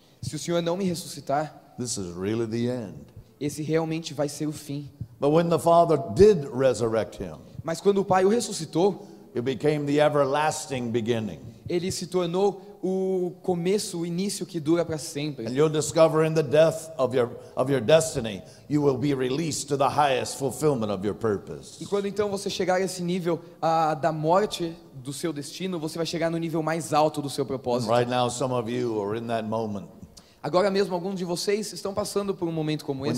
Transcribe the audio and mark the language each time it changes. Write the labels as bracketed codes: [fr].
[pt] Se o Senhor não me ressuscitar. [en] This is really the end. [pt] Esse realmente vai ser o fim. [en] But when the Father did resurrect him. [pt] Mas quando o Pai o ressuscitou. [en] It became the everlasting beginning. [pt] Ele se tornou o começo, o início que dura para sempre. [en] And you'll discover in the death of your destiny, you will be released to the highest fulfillment of your purpose. [pt] E quando então você chegar a esse nível da morte do seu destino, você vai chegar no nível mais alto do seu propósito. [en] Right now, some of you are in that moment. [pt] Agora mesmo, alguns de vocês estão passando por um momento como esse.